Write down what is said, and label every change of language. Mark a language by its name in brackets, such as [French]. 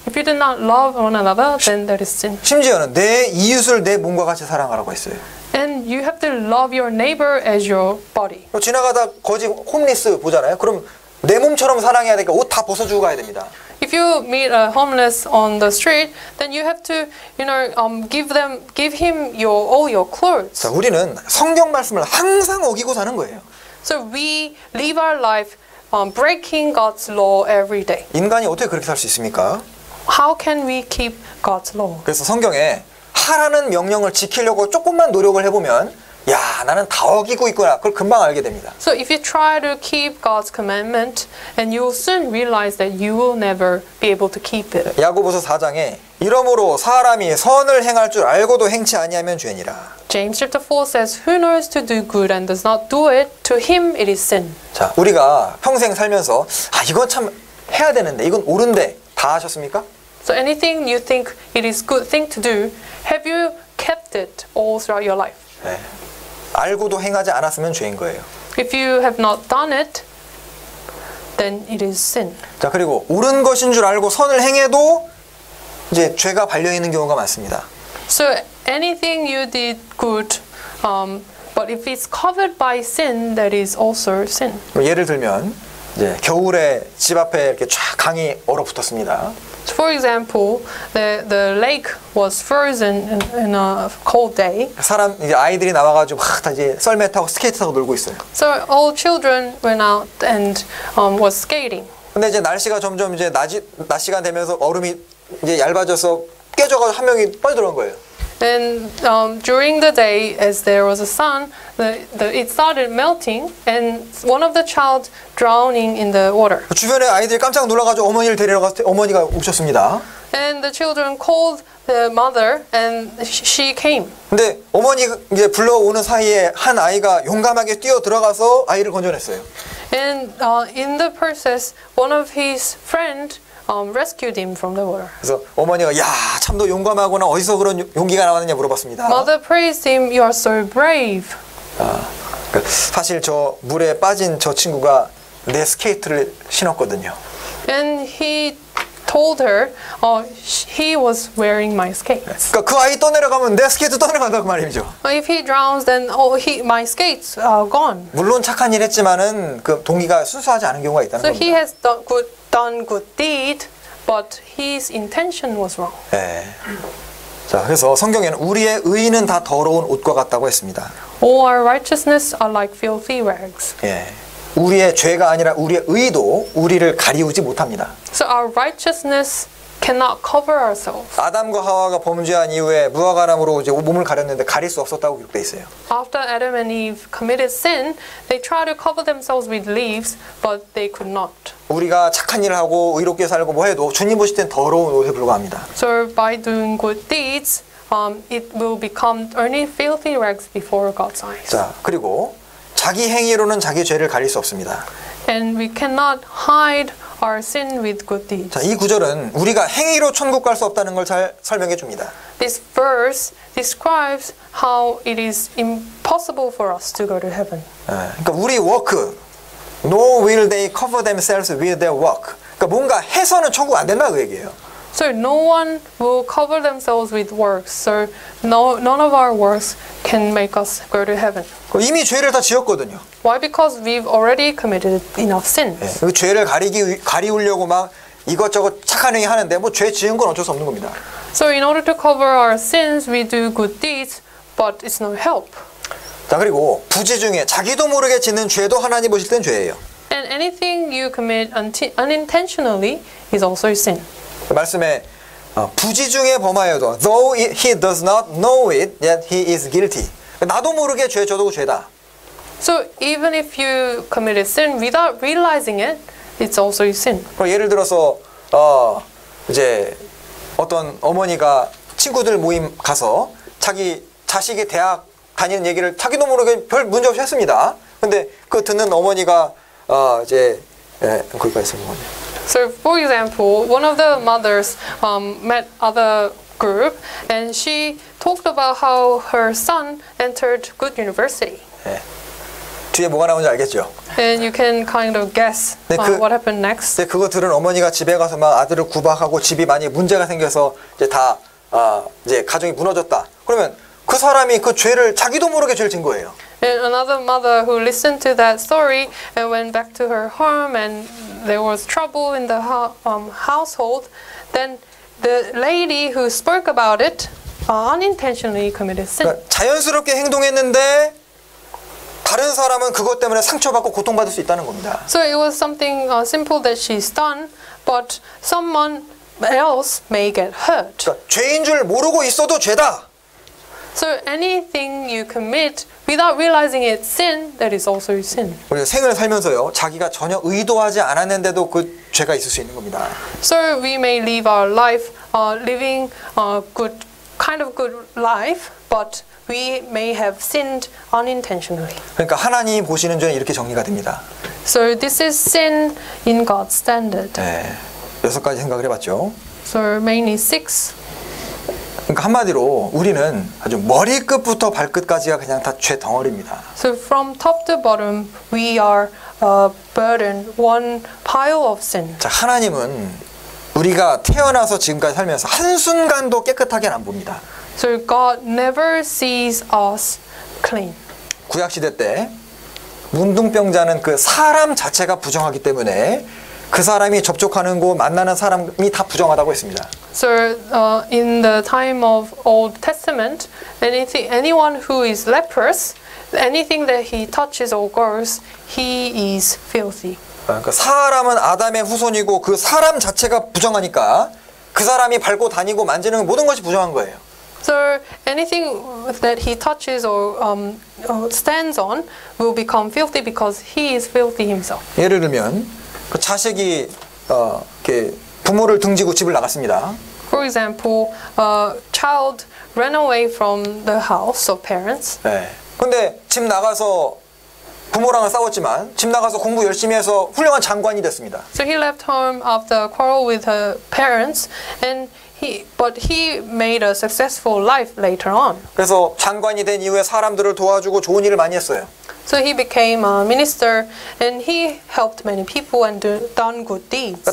[English] If you did not love one another, then that is sin. [Korean] 심지어는 내 이웃을 내 몸과 같이 사랑하라고 했어요. [English] And you have to love your neighbor as your body. [Korean] 지나가다 거지 홈리스 보잖아요. 그럼 내 몸처럼 사랑해야 되니까 옷 다 벗어주고 가야 됩니다. [English] If you meet a homeless on the street, then you have to, you know, give him all your clothes. [Korean] 자, 우리는 성경 말씀을 항상 어기고 사는 거예요. [English] So we live our life breaking God's law every day. [Korean] 인간이 어떻게 그렇게 살 수 있습니까? [English] How can we keep God's law? [Korean] 그래서 성경에 하라는 명령을 지키려고 조금만 노력을 해보면 야, 나는 다 어기고 있구나. 그걸 금방 알게 됩니다. [English] So if you try to keep God's commandment, and you will soon realize that you will never be able to keep it. [Korean] 야고보서 4장에 이러므로 사람이 선을 행할 줄 알고도 행치 아니하면 죄니라. [English] James chapter 4 says, Who knows to do good and does not do it, to him it is sin. [Korean] 자, 우리가 평생 살면서 아, 이건 참 해야 되는데, 이건 옳은데 다 하셨습니까? [English] So anything you think it is good thing to do, have you kept it all throughout your life? [Korean] 네. 알고도 행하지 않았으면 죄인 거예요. [English] If you have not done it, then it is sin. [Korean] 자, 그리고 옳은 것인 줄 알고 선을 행해도 이제 죄가 발려 있는 경우가 많습니다. [English] So anything you did good, but if it's covered by sin, that is also sin. [Korean] 예를 들면 이제 겨울에 집 앞에 이렇게 쫙 강이 얼어붙었습니다. [English] So for example, the lake was frozen in a cold day. [Korean] 사람 이제 아이들이 나와가지고 막 다 이제 썰매 타고 스케이트 타고 놀고 있어요. [English] So all children went out and was skating. [Korean] 근데 이제 날씨가 점점 이제 낮 시간 되면서 얼음이 이제 얇아져서 깨져가지고 한 명이 빠져들어간 거예요. [English] And during the day, as there was a sun, it started melting, and one of the child drowning in the water. [Korean] 주변에 아이들이 깜짝 놀라가지고 어머니를 데리러 갔을 때 어머니가 오셨습니다. [English] And the children called the mother, and she came. [Korean] 근데 어머니 이제 불러오는 사이에 한 아이가 용감하게 뛰어 들어가서 아이를 건져냈어요. [English] And in the process, one of his friend rescued him from the water. [Korean] 그래서 어머니가 야 참 너 용감하구나 어디서 그런 용기가 나왔느냐 물어봤습니다. [English] Mother praised him. You are so brave. [Korean] 아, 사실 저 물에 빠진 저 친구가 내 스케이트를 신었거든요. [English] And he told her, he was wearing my skates. [Korean] 그러니까 그 아이 떠내려가면 내 스케이트 떠내려간다고 말이죠. [English] If he drowns, then my skates are gone. [Korean] 물론 착한 일 했지만은 그 동기가 순수하지 않은 경우가 있다는 거죠. [English] So [Korean] 겁니다. [English] He has done good deed, but his intention was wrong. [Korean] 네. 자, 그래서 성경에는 우리의 의인은 다 더러운 옷과 같다고 했습니다. [English] All our righteousness are like filthy rags. [Korean] 예. 우리의 죄가 아니라 우리의 의도 우리를 가리우지 못합니다. [English] So our righteousness cannot cover ourselves. [Korean] 아담과 하와가 범죄한 이후에 무화과나무로 이제 몸을 가렸는데 가릴 수 없었다고 기록돼 있어요. [English] After Adam and Eve committed sin, they tried to cover themselves with leaves, but they could not. [Korean] 우리가 착한 일을 하고 의롭게 살고 뭐 해도 주님 보실 땐 더러운 옷에 불과합니다. [English] So by doing good deeds, it will become only filthy rags before God's eyes. [Korean] 자, 그리고 자기 행위로는 자기 죄를 가릴 수 없습니다. [English] And we cannot hide our sin with good deeds. [Korean] 자, 이 구절은 우리가 행위로 천국 갈 수 없다는 걸 잘 설명해 줍니다. [English] This verse describes how it is impossible for us to go to heaven. [Korean] 네, 그러니까 우리 [English] work, nor will they cover themselves with their work. [Korean] 그러니까 뭔가 해서는 천국 안 된다 그 얘기예요. [English] So no one will cover themselves with works. So none of our works can make us go to heaven. [Korean] 이미 죄를 다 지었거든요. [English] Why? Because we've already committed enough sins. [Korean] 네, 그 죄를 가리우려고 막 이것저것 착한 행위 하는데 뭐 죄 지은 건 어쩔 수 없는 겁니다. [English] So in order to cover our sins, we do good deeds, but it's no help. [Korean] 자, 그리고 부지 중에 자기도 모르게 짓는 죄도 하나님 보실 땐 죄예요. [English] And anything you commit unintentionally is also sin. [Korean] 말씀에 부지 중에 범하여도 [English] though he does not know it, yet he is guilty. [Korean] 나도 모르게 죄 저도 죄다. [English] So even if you committed sin without realizing it, it's also sin. [Korean] 예를 들어서 이제 어떤 어머니가 친구들 모임 가서 자기 자식이 대학 다니는 얘기를 자기도 모르게 별 문제 없이 했습니다. 근데 그 듣는 어머니가 이제 예, 거기까지 했습니다. [English] So for example, one of the mothers met other group and she talked about how her son entered good university. [Korean] 예. 뒤에 뭐가 나오는지 알겠죠? [English] And you can kind of guess [Korean] 네, 그, [English] what happened next. [Korean] 네, 그거 들은 어머니가 집에 가서 막 아들을 구박하고 집이 많이 문제가 생겨서 이제 다 이제 가정이 무너졌다. 그러면 그 사람이 그 죄를 자기도 모르게 죄를 진 거예요. [English] And another mother who listened to that story and went back to her home and there was trouble in the household, then the lady who spoke about it unintentionally committed sin. [Korean] 그러니까 자연스럽게 행동했는데 다른 사람은 그것 때문에 상처받고 고통받을 수 있다는 겁니다. [English] So it was something simple that she's done, but someone else may get hurt. [Korean] 그러니까 죄인 줄 모르고 있어도 죄다. [English] So anything you commit without realizing it's sin, that is also sin. [Korean] 우리 생을 살면서요, 자기가 전혀 의도하지 않았는데도 그 죄가 있을 수 있는 겁니다. [English] So we may live our life, living a good kind of good life, but we may have sinned unintentionally. [Korean] 그러니까 하나님 보시는 죄는 이렇게 정리가 됩니다. [English] So this is sin in God's standard. [Korean] 네, 여섯 가지 생각을 해봤죠. [English] So mainly six. [Korean] 그러니까 한마디로 우리는 아주 머리끝부터 발끝까지가 그냥 다 죄 덩어리입니다. [English] So from top to bottom, we are a burden, one pile of sin. [Korean] 자, 하나님은 우리가 태어나서 지금까지 살면서 한순간도 깨끗하게 안 봅니다. [English] So God never sees us clean. [Korean] 구약시대 때 문둥병자는 그 사람 자체가 부정하기 때문에 그 사람이 접촉하는 곳, 만나는 사람이 다 부정하다고 했습니다. [English] So in the time of Old Testament, anyone who is leprous, anything that he touches or goes, he is filthy. [Korean] 그러니까 사람은 아담의 후손이고 그 사람 자체가 부정하니까 그 사람이 밟고 다니고 만지는 모든 것이 부정한 거예요. [English] So anything that he touches or stands on will become filthy because he is filthy himself. [Korean] 예를 들면 그 자식이 이렇게 부모를 등지고 집을 나갔습니다. [English] For example, a child ran away from the house of parents. [Korean] 네. 근데 집 나가서 부모랑은 싸웠지만 집 나가서 공부 열심히 해서 훌륭한 장관이 됐습니다. [English] So he left home after a quarrel with her parents and he made a successful life later on. [Korean] 그래서 장관이 된 이후에 사람들을 도와주고 좋은 일을 많이 했어요. [English] So he became a minister and he helped many people and done good deeds.